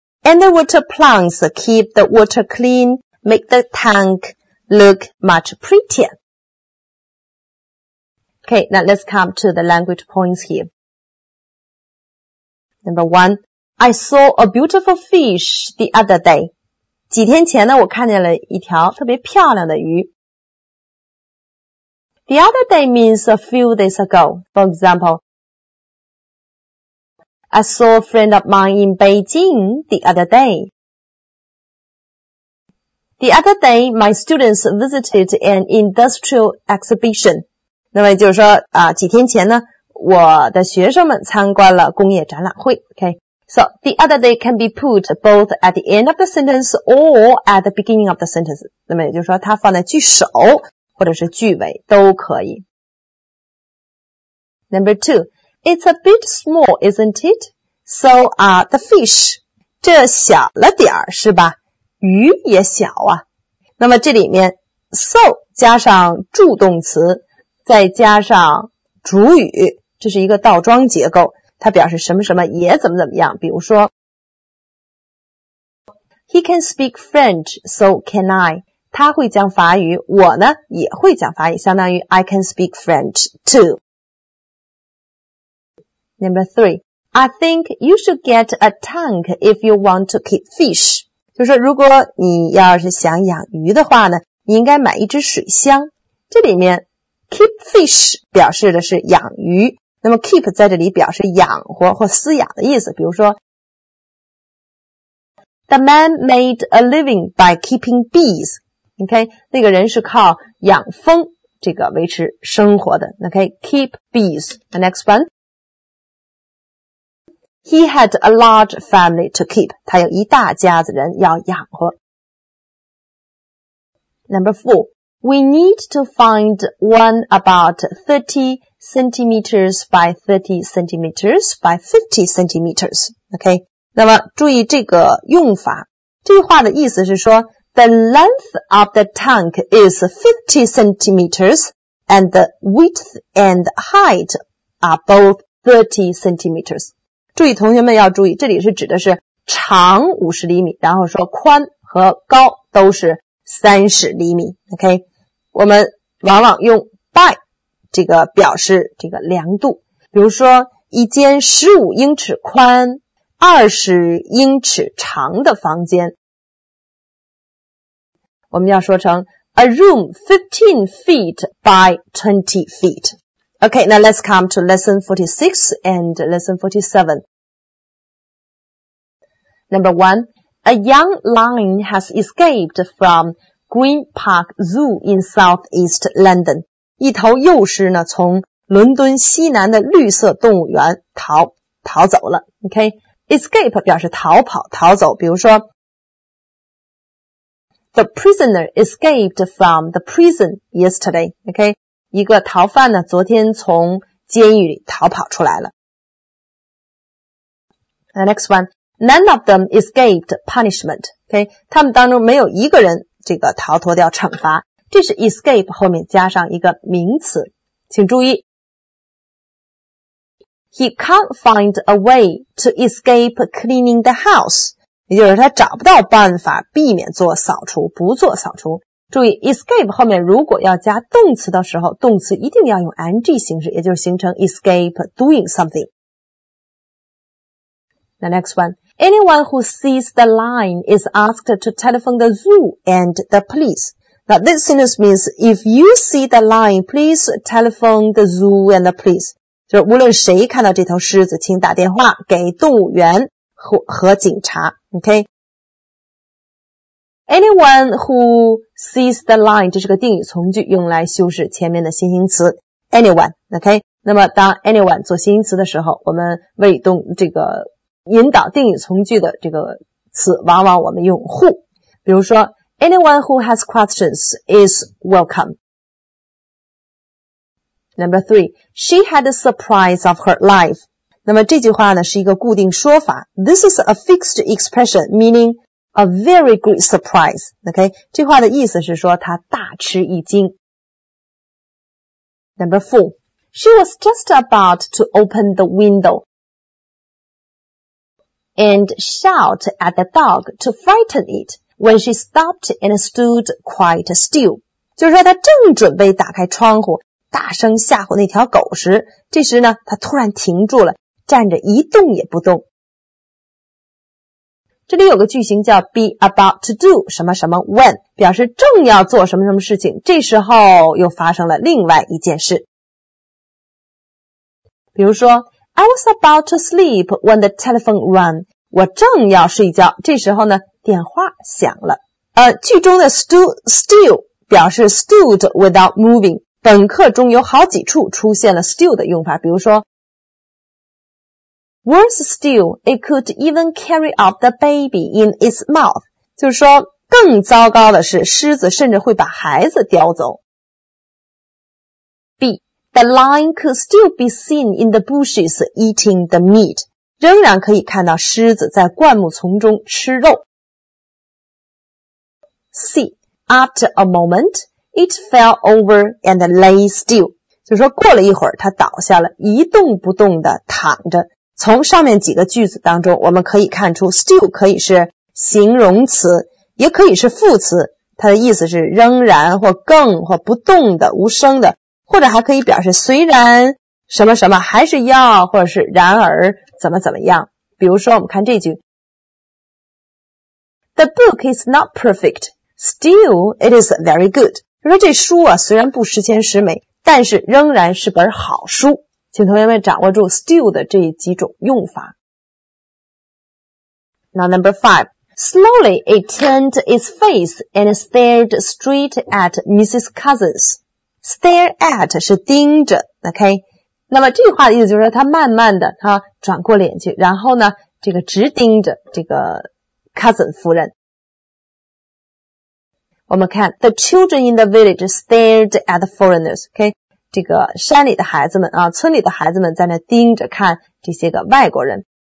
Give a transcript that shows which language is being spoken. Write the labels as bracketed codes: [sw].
[en] And the water plants keep the water clean, make the tank look much prettier. Okay, now let's come to the language points here. Number one, I saw a beautiful fish the other day. [zh] 几天前呢，我看见了一条特别漂亮的鱼。 [en] The other day means a few days ago. For example, I saw a friend of mine in Beijing the other day. The other day, my students visited an industrial exhibition. [zh] 那么就是说啊，几天前呢，我的学生们参观了工业展览会。 [en] Okay, so the other day can be put both at the end of the sentence or at the beginning of the sentence. [zh] 那么也就是说，它放在句首或者是句尾都可以。 [en] Number two, it's a bit small, isn't it? So are the fish. [zh] 这小了点儿是吧？鱼也小啊。那么这里面 so 加上助动词，再加上主语，这是一个倒装结构，它表示什么什么也怎么怎么样。比如说 [en] He can speak French, so can I. [zh] 他会讲法语，我呢也会讲法语，相当于 [en] I can speak French too. Number three, I think you should get a tank if you want to keep fish. [zh] 就是说如果你要是想养鱼的话呢，你应该买一只水箱。这里面Keep fish 表示的是养鱼，那么 keep 在这里表示养活或饲养的意思。比如说 [en] The man made a living by keeping bees. [zh] OK, 那个人是靠养蜂这个维持生活的。 [en] OK, keep bees. The next one, He had a large family to keep. [zh] 他有一大家子人要养活。 [en] Number four,We need to find one about 30 centimeters by 30 centimeters by 50 centimeters. Okay. [zh] 那么注意这个用法。这句话的意思是说 [en] ,the length of the tank is 50 centimeters and the width and height are both 30 centimeters. [zh] 注意同学们要注意，这里是指的是长50厘米，然后说宽和高都是30厘米。 Okay. 我们往往用 by 这个表示这个量度，比如说一间15英尺宽20英尺长的房间，我们要说成 [en] a room 15 feet by 20 feet. OK, now let's come to lesson 46 and lesson 47. Number one, a young lion has escaped fromGreen Park Zoo in Southeast London. [zh] 一头幼狮呢从伦敦西南的绿色动物园逃走了。 Okay? Escape 表示逃跑逃走。比如说 [en] The prisoner escaped from the prison yesterday. Okay? [zh] 一个逃犯呢昨天从监狱里逃跑出来了。 [en] The next one. None of them escaped punishment. Okay? [zh] 他们当中没有一个人这个逃脱掉惩罚，这是 escape 后面加上一个名词，请注意。 [en] He can't find a way to escape cleaning the house. [zh] 也就是他找不到办法避免做扫除，不做扫除。注意 escape 后面如果要加动词的时候，动词一定要用 ing 形式，也就是形成 [en] escape doing something. The next one. Anyone who sees the line is asked to telephone the zoo and the police. Now this sentence means if you see the line, please telephone the zoo and the police. [zh] 就无论谁看到这头狮子，请打电话给动物园 和警察。 [en] Okay? Anyone who sees the line, [zh] 这是个定语从句，用来修饰前面的先行词。Anyone, okay? 那么当 anyone 做先行词的时候，我们为动这个引导定语从句的这个词，往往我们用 who。比如说 [en] ,anyone who has questions is welcome. Number three, she had a surprise of her life. [zh] 那么这句话呢是一个固定说法。 [en] This is a fixed expression meaning a very great surprise. [zh] Okay, 这话的意思是说她大吃一惊。 [en] Number four, she was just about to open the window and shout at the dog to frighten it when she stopped and stood quite still. [zh] 就是说她正准备打开窗户大声吓唬那条狗时，这时呢他突然停住了，站着一动也不动。这里有个句型叫 [en] be about to do [zh] 什么什么 when， 表示正要做什么什么事情，这时候又发生了另外一件事。比如说 [en] I was about to sleep when the telephone rang， [zh] 我正要睡觉，这时候呢电话响了。句中的 stood still 表示 [en] stood without moving， [zh] 本课中有好几处出现了 still 的用法，比如说 [en] Worse still, it could even carry up the baby in its mouth. [zh] 就是说更糟糕的是狮子甚至会把孩子叼走。 [en] B. The lion could still be seen in the bushes eating the meat. [zh] 仍然可以看到狮子在灌木丛中吃肉。 [en] C. After a momentIt fell over and lay still. [zh] 就是说过了一会儿它倒下了，一动不动地躺着。从上面几个句子当中我们可以看出 still 可以是形容词也可以是副词，它的意思是仍然或更或不动的无声的，或者还可以表示虽然什么什么还是要，或者是然而怎么怎么样。比如说我们看这句 [en] The book is not perfect, still it is very good. [zh] 说这书啊虽然不十全十美，但是仍然是本好书。请同学们掌握住 still 的这几种用法。 [en] Now number five. Slowly it turned its face and stared straight at Mrs. Cousins. Stare at [zh] 是盯着 [en] ,ok? [zh] 那么这句话的意思就是说他慢慢的他转过脸去，然后呢这个直盯着这个 Cousin 夫人。我们看 [en] ,the children in the village stared at the foreigners, okay? [zh] 这个山里的孩子们啊，村里的孩子们在那盯着看这些个外国人。